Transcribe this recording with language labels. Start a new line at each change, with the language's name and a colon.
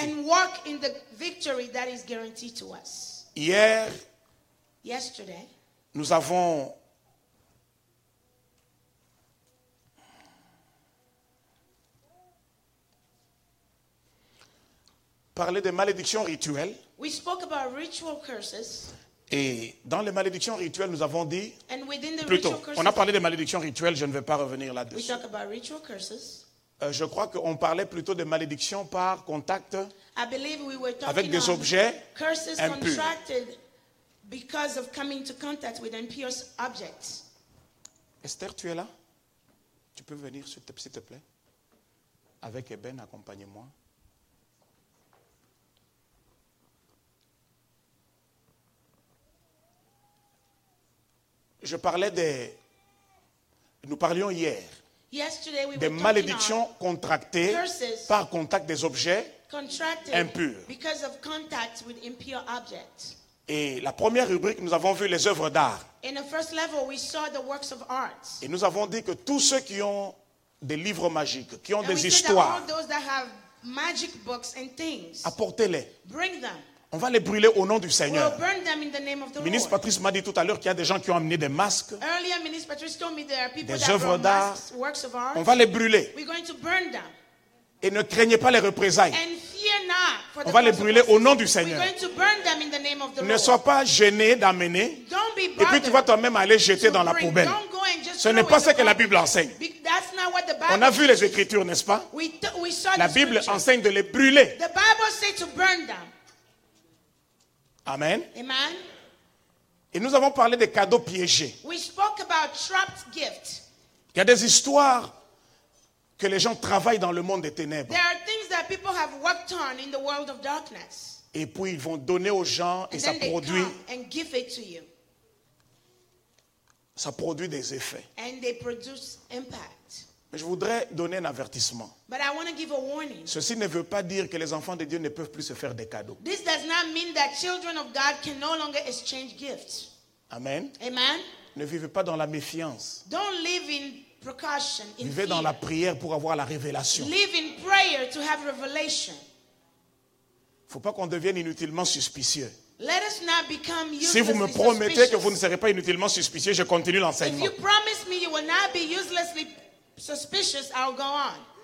English: And walk in the victory that is guaranteed to us.
French: Hier,
English: yesterday,
French: Nous avons parlé des malédictions rituelles.
English: We spoke about ritual curses.
French: Et dans les malédictions rituelles, nous avons dit,
English: and within the
French: plutôt,
English: ritual curses,
French: on a parlé des malédictions rituelles, je ne vais pas revenir là-dessus.
English: We talk about ritual curses.
French: Je crois qu'on parlait plutôt des malédictions par contact
English: I believe we were talking
French: avec des objets
English: curses
French: impurs.
English: Contracted because of coming to contact with impure objects.
French: Esther, tu es là? Tu peux venir, s'il te plaît? Avec Eben, accompagne-moi. Je parlais des... Nous parlions hier.
English: Yesterday we
French: des malédictions contractées par contact des objets impurs.
English: Because of contact with impure objects.
French: Et la première rubrique, nous avons vu les œuvres d'art.
English: In the first level, we saw the works of art.
French: Et nous avons dit que tous ceux qui ont des livres magiques, qui ont des histoires,
English: magic books and things,
French: apportez-les.
English: Bring them.
French: On va les brûler au nom du Seigneur.
English: We'll burn them in the name of the
French: ministre
English: Lord.
French: Patrice m'a dit tout à l'heure qu'il y a des gens qui ont amené des masques,
English: earlier, Ministre Patrice told me there are people
French: des
English: that
French: œuvres d'art.
English: Masks, works of art.
French: On va les brûler.
English: We're going to burn them.
French: Et ne craignez pas les représailles.
English: And fear not for the
French: on va les brûler au nom du Seigneur.
English: We're going to burn them in the name of the Lord.
French: Ne sois pas gêné d'amener.
English: Don't be bothered.
French: Et puis tu vas toi-même aller jeter dans la poubelle.
English: Don't go and just
French: ce n'est pas ce que la Bible enseigne.
English: That's not what the Bible
French: on a vu les Écritures, n'est-ce pas?
English: We saw
French: la Bible enseigne de les brûler.
English: The Bible says to burn them.
French: Amen.
English: Amen.
French: Et nous avons parlé des cadeaux piégés.
English: We spoke about trapped gifts.
French: Il y a des histoires que les gens travaillent dans le monde des ténèbres.
English: There are things that people have worked on in the world of darkness.
French: Et puis ils vont donner aux gens
English: and
French: et ça produit.
English: And give it to you.
French: Ça produit des effets.
English: And they produce impact.
French: Mais je voudrais donner un avertissement.
English: But I want to give a warning.
French: Ceci ne veut pas dire que les enfants de Dieu ne peuvent plus se faire des cadeaux.
English: This does not mean that children of God can no longer exchange gifts.
French: Amen.
English: Amen.
French: Ne vivez pas dans la méfiance.
English: Don't live in precaution. In
French: vivez dans
English: fear.
French: La prière pour avoir la révélation.
English: Live in prayer to have revelation.
French: Faut pas qu'on devienne inutilement suspicieux.
English: Let us not become useless.
French: Si vous me promettez
English: suspicious.
French: Que vous ne serez pas inutilement suspicieux, je continue l'enseignement.
English: If you promise me you will not be uselessly suspicious, I'll go on.